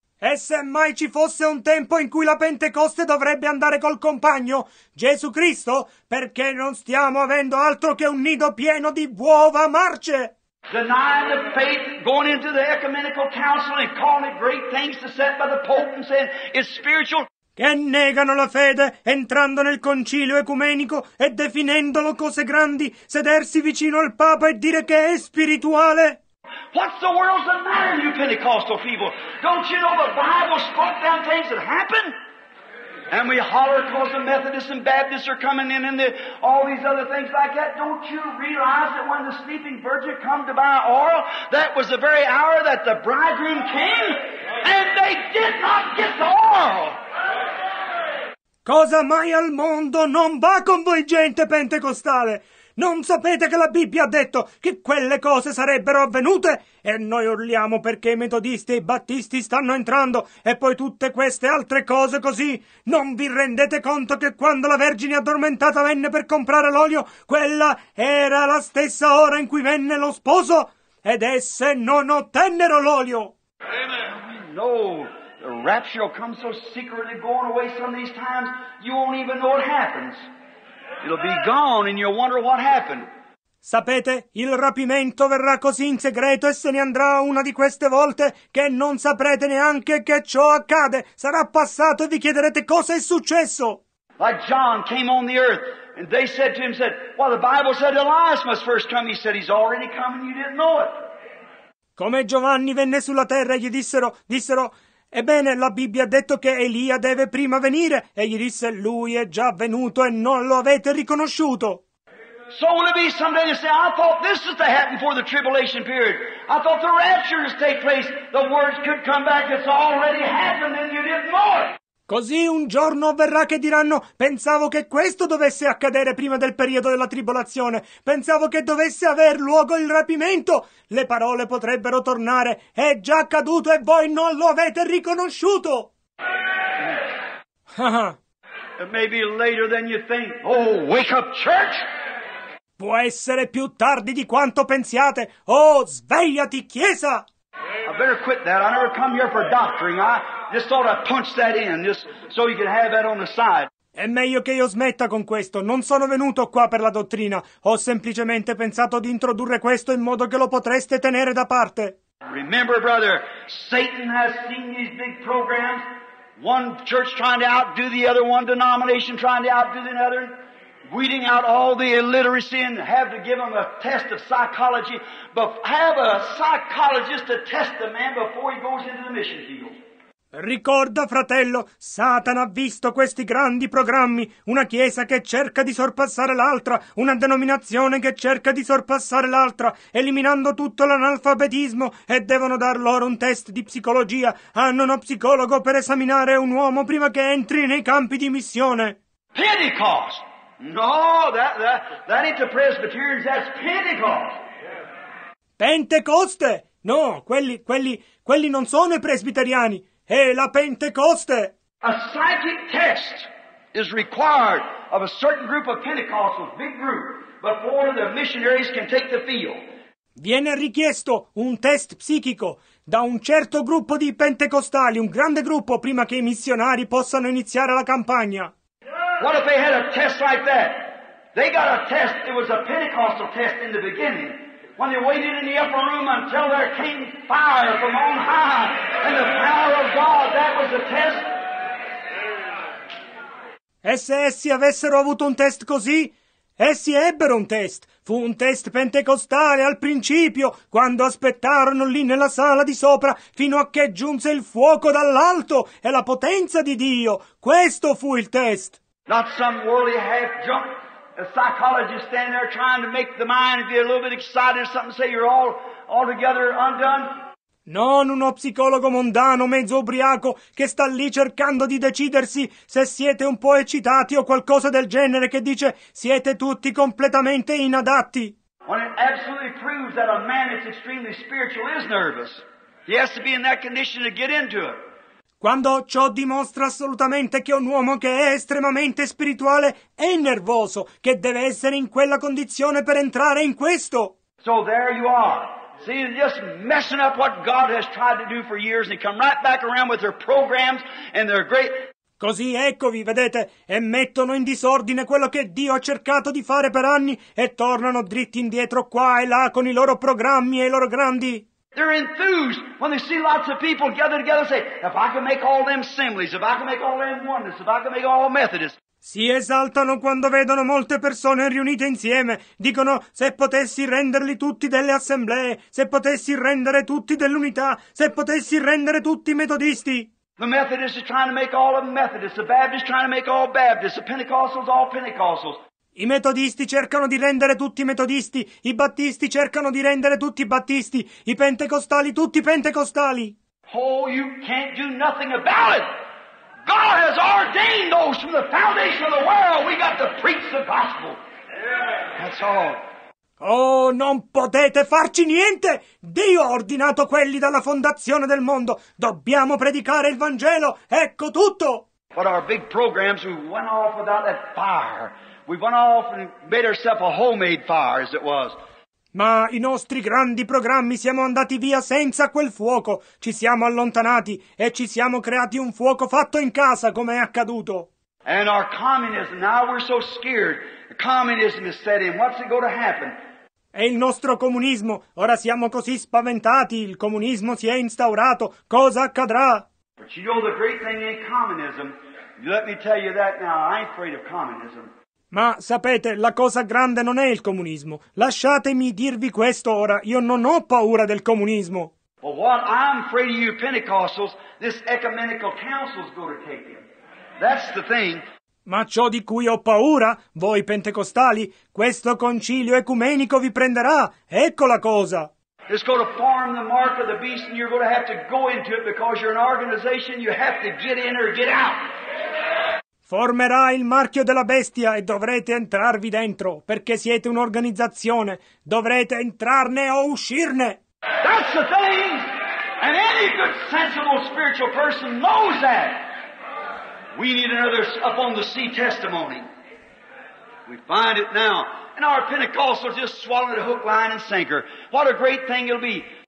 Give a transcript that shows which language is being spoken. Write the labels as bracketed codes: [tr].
[it] E se mai ci fosse un tempo in cui la Pentecoste dovrebbe andare col compagno, Gesù Cristo, perché non stiamo avendo altro che un nido pieno di uova marce? [en] Denying the faith, going into the ecumenical council and calling it great things to set by the Pope and saying it's spiritual. [it] Che negano la fede entrando nel concilio ecumenico e definendolo cose grandi, sedersi vicino al Papa e dire che è spirituale. [en] What's the world's the matter, you Pentecostal people? Don't you know the Bible spoke down things that happen? And we holler because the Methodists and Baptists are coming in and all these other things like that. Don't you realize that when the sleeping virgin come to buy oil, that was the very hour that the bridegroom came and they did not get the oil? [it] Cosa mai al mondo non va con voi gente pentecostale? Non sapete che la Bibbia ha detto che quelle cose sarebbero avvenute? E noi urliamo perché i metodisti e i battisti stanno entrando e poi tutte queste altre cose così. Non vi rendete conto che quando la Vergine addormentata venne per comprare l'olio, quella era la stessa ora in cui venne lo sposo ed esse non ottennero l'olio? [en] Amen. No! The rapture will come so secretly going away some of these times, you won't even know it happens. It'll be gone and you'll wonder what happened. [it] Sapete, il rapimento verrà così in segreto e se ne andrà una di queste volte che non saprete neanche che ciò accade. Sarà passato e vi chiederete cosa è successo. [en] Like John came on the earth and they said to him, said, well, the Bible said Elias must first come. He said, he's already come and you didn't know it. [it] Come Giovanni venne sulla terra e gli dissero, ebbene, la Bibbia ha detto che Elia deve prima venire, e gli disse, lui è già venuto e non lo avete riconosciuto. [en] So will it be someday to say, I thought this is to happen before the tribulation period. I thought the rapture is to take place, the words could come back, it's already happened and you didn't know it. [it] Così un giorno verrà che diranno, pensavo che questo dovesse accadere prima del periodo della tribolazione, pensavo che dovesse aver luogo il rapimento, le parole potrebbero tornare, è già accaduto e voi non lo avete riconosciuto! [en] Maybe later than you think. Oh, wake up, church! [it] Può essere più tardi di quanto pensiate, oh, svegliati, chiesa! [en] I better quit that. I never come here for doctoring. I just thought I'd punch that in, just so you can have that on the side. [it] È meglio che io smetta con questo. Non sono venuto qua per la dottrina. Ho semplicemente pensato di introdurre questo in modo che lo potreste tenere da parte. [en] Remember, brother, Satan has seen these big programs. One church trying to outdo the other, one denomination trying to outdo the other. Weeding out all the illiteracy and have to give them a test of psychology, but have a psychologist to test the man before he goes into the mission field. [it] Ricorda, fratello, Satana ha visto questi grandi programmi, una chiesa che cerca di sorpassare l'altra, una denominazione che cerca di sorpassare l'altra, eliminando tutto l'analfabetismo, e devono dar loro un test di psicologia. Hanno uno psicologo per esaminare un uomo prima che entri nei campi di missione. [en] Pentecost! No, that ain't the Presbyterians, that's Pentecost. [it] Pentecoste? No, quelli non sono i presbiteriani, è la Pentecoste. [en] A psychic test is required of a certain group of Pentecostals, big group, before the missionaries can take the field. [it] Viene richiesto un test psichico da un certo gruppo di pentecostali, un grande gruppo, prima che i missionari possano iniziare la campagna. [en] What if they had a test like that? They got a test, it was a Pentecostal test in the beginning, when they waited in the upper room until there came fire from on high and the power of God, that was the test. [it] E se essi avessero avuto un test così? Essi ebbero un test. Fu un test pentecostale al principio, quando aspettarono lì nella sala di sopra fino a che giunse il fuoco dall'alto e la potenza di Dio. Questo fu il test. [en] Not some worldly half-junk psychologist standing there trying to make the mind be a little bit excited or something, say you're all altogether undone. [it] Non uno psicologo mondano, mezzo ubriaco, che sta lì cercando di decidersi se siete un po' eccitati o qualcosa del genere, che dice siete tutti completamente inadatti. [en] When it absolutely proves that a man that's extremely spiritual is nervous, he has to be in that condition to get into it. [it] Quando ciò dimostra assolutamente che un uomo che è estremamente spirituale è nervoso, che deve essere in quella condizione per entrare in questo. [en] So there you are, See, just messing up what God has tried to do for years, and they come right back around with their programs and their great... [it] Così, eccovi, vedete, e mettono in disordine quello che Dio ha cercato di fare per anni e tornano dritti indietro qua e là con i loro programmi e i loro grandi. [en] They're enthused when they see lots of people gather together and say, if I can make all them assemblies, if I can make all them oneness, if I can make all Methodists. [it] Si esaltano quando vedono molte persone riunite insieme. Dicono, se potessi renderli tutti delle assemblee, se potessi rendere tutti dell'unità, se potessi rendere tutti metodisti. [en] The Methodist is trying to make all of Methodists, the Baptist trying to make all Baptists, the Pentecostals all Pentecostals. [it] I metodisti cercano di rendere tutti metodisti, i battisti cercano di rendere tutti battisti, i pentecostali tutti pentecostali. [en] Oh, you can't do nothing about it. God has ordained those from the foundation of the world. We got to preach the gospel. That's all. [it] Oh, non potete farci niente! Dio ha ordinato quelli dalla fondazione del mondo. Dobbiamo predicare il Vangelo. Ecco tutto! [en] But our big programs, we went off without that fire. We went off and made ourselves a homemade fire, as it was. [it] Ma i nostri grandi programmi siamo andati via senza quel fuoco. Ci siamo allontanati e ci siamo creati un fuoco fatto in casa, come è accaduto. [en] And our communism, now we're so scared. Communism is set in. What's it going to happen? [it] E il nostro comunismo. Ora siamo così spaventati. Il comunismo si è instaurato. Cosa accadrà? [en] But you know the great thing in communism. Let me tell you that now. I ain't afraid of communism. [it] Ma sapete, la cosa grande non è il comunismo. Lasciatemi dirvi questo ora. Io non ho paura del comunismo. [en] But what I'm afraid of, you Pentecostals, this ecumenical council is going to take you. That's the thing. [it] Ma ciò di cui ho paura, voi pentecostali, questo concilio ecumenico vi prenderà. Ecco la cosa. [en] It's going to form the mark of the beast and you're going to have to go into it because you're an organization, you have to get in or get out. [it] Formerà il marchio della bestia e dovrete entrarvi dentro, perché siete un'organizzazione. Dovrete entrarne o uscirne. [en] That's the thing! And any good, sensible, spiritual person knows that! We need another up on the sea testimony. We find it now. And our Pentecostals just swallowed a hook, line and sinker. What a great thing it'll be.